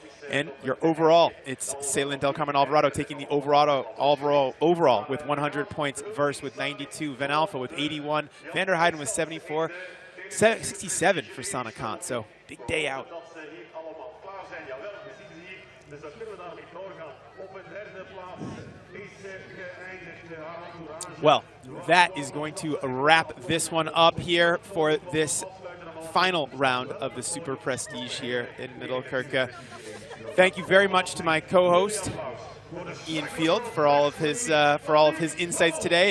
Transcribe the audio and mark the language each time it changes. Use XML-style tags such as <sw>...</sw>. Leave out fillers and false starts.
<en>And your overall, it's Céline Del Carmen Alvarado taking the overall with 100 points, Verst with 92, Van Alpha with 81, Van der Heijden with 74, 67 for Sana Kant. So, big day out.</en> <nl>Dus dat kunnen we daar niet doorgaan. Op een derde plaats</nl> <en>Well, that is going to wrap this one up here for this final round of the Super Prestige here in Middelkerke. Thank you very much to my co-host, Ian Field, for all of his insights today.</en>